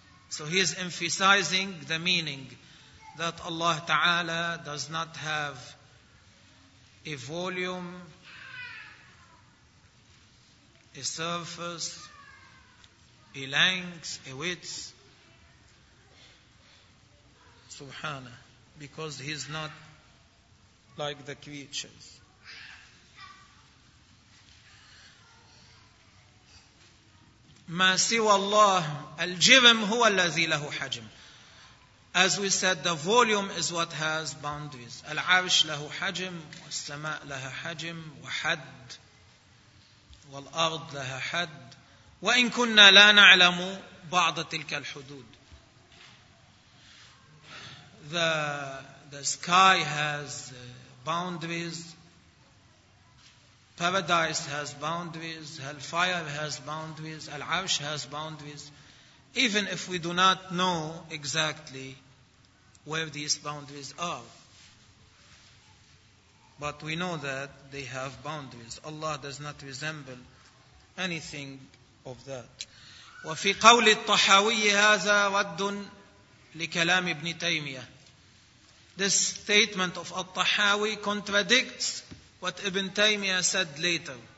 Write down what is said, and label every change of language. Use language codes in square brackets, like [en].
[en] So he is emphasizing the meaning that Allah Ta'ala does not have a volume, a surface, a length, a width, subhanah, because he is not like the creatures. [ar] ما سوى الله الجرم هو الذي له حجم. [en] As we said, the volume is what has boundaries. [ar] العرش له حجم, والسماء لها حجم, وحد. والأرض لها حد وإن كنا لا نعلم بعض تلك الحدود. [en] The sky has boundaries, paradise has boundaries, hellfire has boundaries, العرش has boundaries, even if we do not know exactly where these boundaries are. But we know that they have boundaries. Allah does not resemble anything of that. [ar] وفي قول الطحاوي هذا رد لكلام ابن تيمية. [en] This statement of الطحاوي contradicts what Ibn Taymiyyah said later.